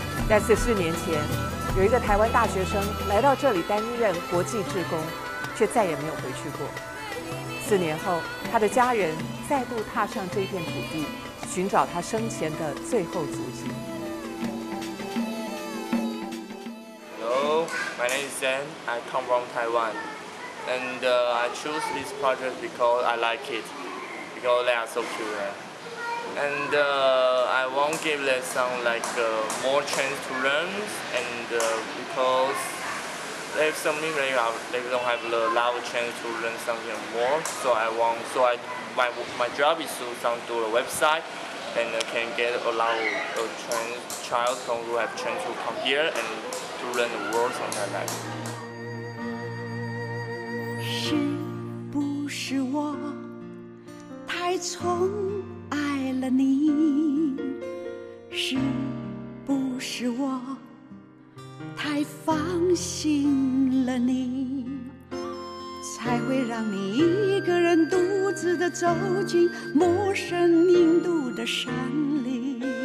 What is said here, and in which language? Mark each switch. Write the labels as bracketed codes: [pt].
[zh] 在44年前，有一个台湾大学生来到这里担任国际志工，却再也没有回去过。 4年后，他的家人再度踏上这片土地，寻找他生前的最后足迹。 [en] Hello, my name is Zen. I come from Taiwan, and I choose this project because I like it, because they are so cute. And I won't give them some more chance to learn, and because they have something very hard, they don't have the love chance to learn something more. So my job is to do a website and can get a lot of child who have chance to come here and to learn the world something like that. [zh] 是不是我太宠了你，是不是我太放心了你，才会让你一个人独自的走进陌生印度的山林，